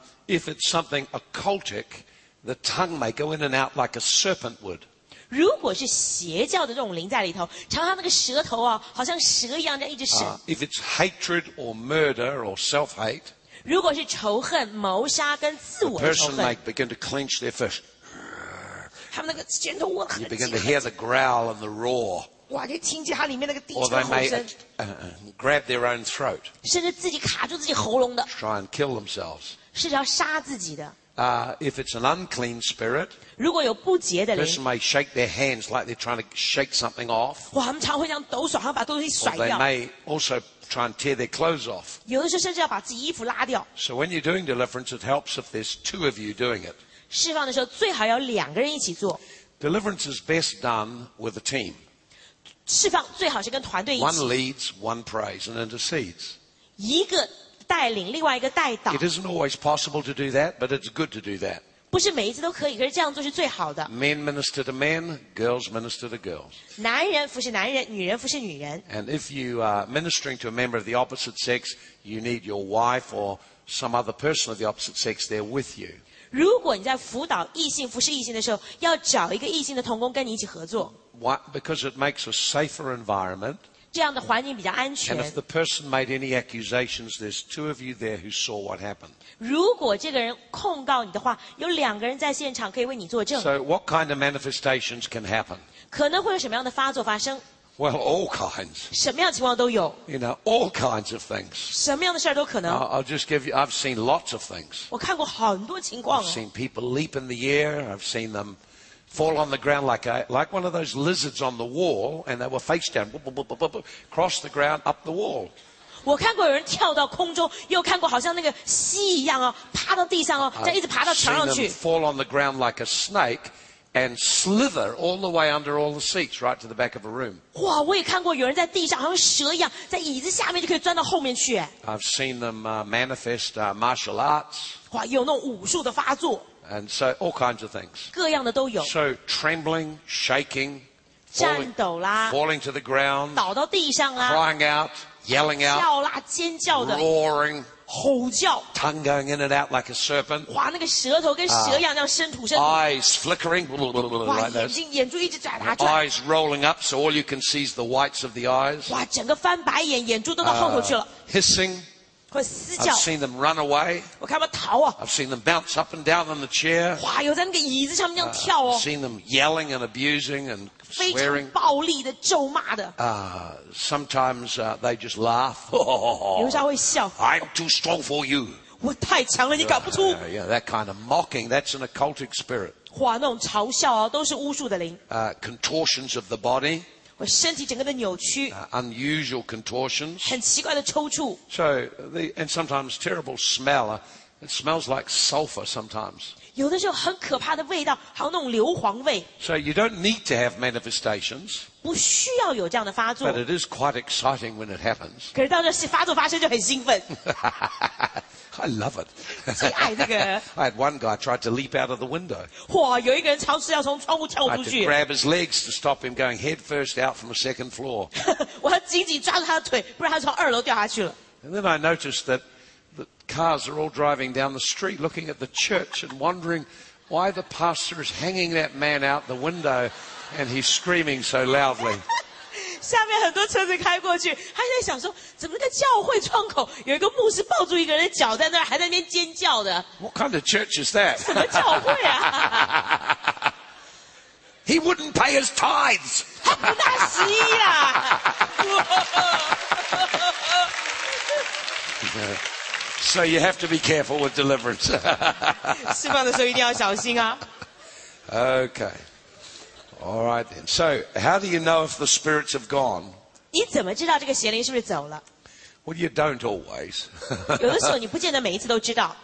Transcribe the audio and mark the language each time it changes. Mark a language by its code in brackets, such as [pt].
[en] If it's something occultic, the tongue may go in and out like a serpent would. [zh] 如果是邪教的这种灵在里头，常常那个舌头啊，好像蛇一样，这样一直伸。 [en] If it's hatred or murder or self-hate, [zh] 如果是仇恨、谋杀跟自我的仇恨 [en] ，the person may begin to clench their fist. [zh] 他们那个拳头握很紧。 [en] You begin to hear the growl and the roar. [zh] 哇，就听见它里面那个低沉的吼声。 [en] Or they may grab their own throat. [zh] 甚至自己卡住自己喉咙的。 [en] Try and kill themselves. [zh] 试着要杀自己的。 [en] If it's an unclean spirit, [zh] 如果有不洁的灵 [en] person may shake their hands like they're trying to shake something off. [zh] 哇，他们常会这样抖手，好像把东西甩掉。 [en] Or they may also try and tear their clothes off. [zh] 有的时候甚至要把自己衣服拉掉。 [en] So when you're doing deliverance, it helps if there's two of you doing it. [zh] 释放的时候最好要两个人一起做。 [en] Deliverance is best done with a team. [zh] 释放最好是跟团队一起。 [en] One leads, one prays, and intercedes. [zh] 一个带领另外一个带导 [en] It isn't always possible to do that, but it's good to do that. [zh] 不是每一次都可以，可是这样做是最好的。 [en] Men minister to men, girls minister to girls. [zh] 男人服侍男人，女人服侍女人。 [en] And if you are ministering to a member of the opposite sex, you need your wife or some other person of the opposite sex there with you. [zh] 如果你在辅导异性服侍异性的时候，要找一个异性的同工跟你一起合作。 [en] Why? Because it makes a safer environment. [zh] 这样的环境比较安全。 [en] And if the person made any accusations, there's two of you there who saw what happened. [zh] 如果这个人控告你的话，有两个人在现场可以为你作证。 [en] So what kind of manifestations can happen? [zh] 可能会有什么样的发作发生 [en] ？Well, all kinds. [zh] 什么样的情况都有。 [en] You know, all kinds of things. [zh] 什么样的事都可能。 [en] I'll just give you. I've seen lots of things. [zh] 我看过很多情况。 [en] I've seen people leap in the air. I've seen them. Fall on the ground like one of those lizards on the wall, and they were face down, cross the ground up the wall. [zh] 我看过有人跳到空中，又看过好像那个蜥一样啊，趴到地上啊，再一直爬到墙上去。 [en] I've seen them fall on the ground like a snake and slither all the way under all the seats, right to the back of a room. [zh] 哇，我也看过有人在地上好像蛇一样，在椅子下面就可以钻到后面去。 [en] I've seen them manifest martial arts. [zh] 哇，有那种武术的发作。 [en] And so all kinds of things. [zh] 各样的都有。 [en] So trembling, shaking, falling, [zh] 战抖啦 [en] falling to the ground, [zh] 倒到地上啦 [en] crying out, yelling out, [zh] 叫啦, 尖叫的, [en] roaring, [zh] 吼叫, [en] tongue going in and out like a serpent, [zh] 哇, 那个舌头跟蛇一样, 这样伸吐伸吐, [en] eyes flickering, 哇, like [zh] 眼睛, 眼珠一直眨, [en] eyes rolling up so all you can see is the whites of the eyes, [zh] 哇, 整个翻白眼, 眼珠都到后头去了, [en] hissing, [zh] 会撕叫, [en] I've seen them run away, [zh] 我看他们逃啊, [en] I've seen them bounce up and down on the chair, [zh] 哇, 有在那个椅子上面这样跳哦, [en] I've seen them yelling and abusing and swearing, [zh] 非常暴力的, 咒骂的, [en] sometimes they just laugh, [zh] 有时候会笑, [en] I'm too strong for you, [zh] 我太强了, 你搞不出, [en] yeah, that kind of mocking, that's an occultic spirit, [zh] 哇, 那种嘲笑啊, 都是巫术的灵, [en] contortions of the body, [zh] 我身体整个的扭曲, [en] unusual contortions, [zh] 很奇怪的抽搐, [en] so, and sometimes terrible smell, it smells like sulfur sometimes, [zh] 有的时候很可怕的味道, 好像那种硫磺味, [en] so you don't need to have manifestations, [zh] 不需要有这样的发作, [en] but it is quite exciting when it happens, [zh] 可是到这发作发生就很兴奋, [en] I love it, [zh] 最爱这个, [en] I had one guy tried to leap out of the window, [zh] 哇, 有一个人尝试要从窗户跳出去, [en] I had to grab his legs to stop him going head first out from the second floor, [zh] 我要紧紧抓住他的腿, 不然他从二楼掉下去了, [en] and then I noticed that the cars are all driving down the street looking at the church and wondering why the pastor is hanging that man out the window and he's screaming so loudly. [zh] 下面很多车子开过去, 他在想说, 怎么个教会窗口有一个牧师抱住一个人的脚在那儿, 还在那边尖叫的? [en] What kind of church is that? [zh] 什么教会啊? [en] He wouldn't pay his tithes. [zh] 他不纳十一啊。 [en] So you have to be careful with deliverance. [zh] 释放的时候一定要小心啊。 [en] Okay. All right then. So, how do you know if the spirits have gone? [zh] 你怎么知道这个邪灵是不是走了? [en] Well, you don't always. [zh] 有的时候你不见得每一次都知道。